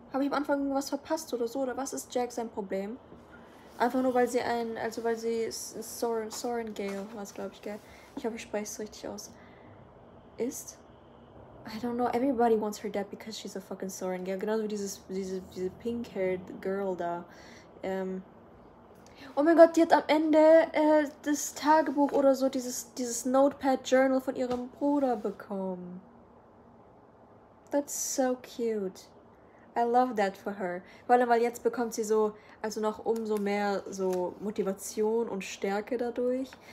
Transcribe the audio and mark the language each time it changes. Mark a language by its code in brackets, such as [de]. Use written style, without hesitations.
[de] Habe ich am Anfang was verpasst oder so? Oder was ist Jack sein Problem? Einfach nur weil sie ein, also weil sie Sorengale war, glaube ich, gell? Ich hoffe, ich spreche es richtig aus. Ist? [en] I don't know, everybody wants her dead because she's a fucking Sorengale. [de] Genauso wie diese [en] pink-haired girl [de] da. Oh mein Gott, die hat am Ende das Tagebuch oder so, dieses Notepad-Journal von ihrem Bruder bekommen. [en] That's so cute. I love that for her. [de] Weil jetzt bekommt sie so, also noch umso mehr so Motivation und Stärke dadurch.